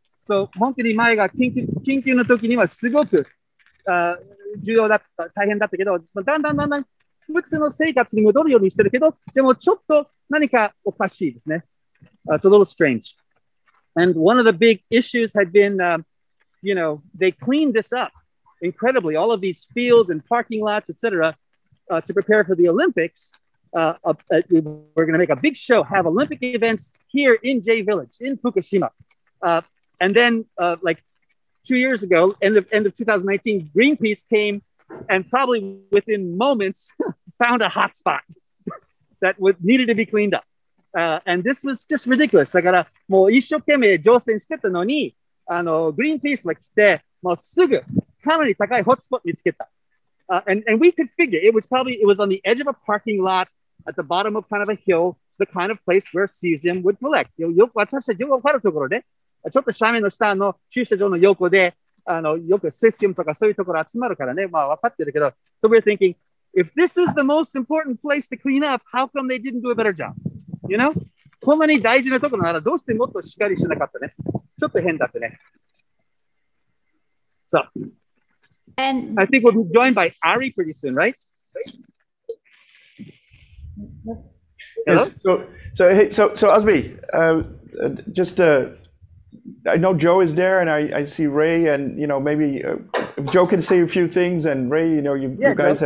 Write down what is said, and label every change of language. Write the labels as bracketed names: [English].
[Japanese] So, 本当に前が緊急の時にはすごく重要だった、大変だったけど、だんだんだんだん普通の生活に戻るようにしてるけど、でもちょっと何かおかしいですね。 [English] It's a little strange. And one of the big issues had been, they cleaned this up incredibly, all of these fields and parking lots, et cetera, to prepare for the Olympics. We're going to make a big show, have Olympic events here in J Village, in Fukushima. And then, 2 years ago, end of 2019, Greenpeace came and probably within moments found a hot spot that needed to be cleaned up. And this was just ridiculous. [Japanese] だからもう一生懸命乗船してたのに、Greenpeace が来て、もうすぐかなり高いホットスポット見つけた。 [English] And we could figure it was on the edge of a parking lot at the bottom of kind of a hill, the kind of place where cesium would collect. [Japanese] よく私たちよくわかるところで。ちょっと斜面の下の駐車場の横で、よくセシウムとかそういうところ集まるからね、まあ分かってるけど、 [English] So we're thinking, if this was the most important place to clean up, how come they didn't do a better job? You know? [Japanese] こんなに大事なところならどうしてもっとしっかりしなかったね。ちょっと変だったね。 [English] So, and I think we'll be joined by Ari pretty soon, right? Hello? Yes. So, Asbi, I know Joe is there, and I see Ray, and maybe if Joe can say a few things, and Ray, you guys Joe.